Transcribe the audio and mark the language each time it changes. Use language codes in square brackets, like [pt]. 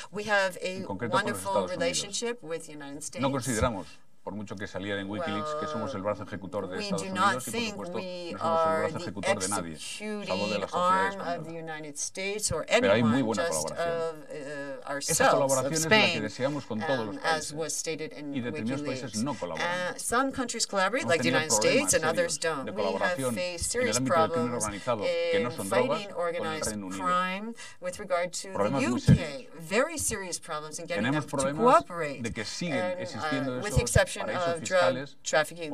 [en] We have a wonderful relationship with the United States. [es] Por mucho que saliera en WikiLeaks, que somos el brazo ejecutor de Estados Unidos, y por supuesto, no somos el brazo ejecutor de nadie, salvo de la sociedad española. Pero hay muy buena colaboración. Esa colaboración es la que deseamos con todos los países. Y determinados países no colaboran. [en] Some countries collaborate, like the United States, and others don't. We have faced serious problems in fighting organized crime with regard to the UK. Very serious problems in getting them to cooperate. [es] De que siguen existiendo [en] esos of drug trafficking.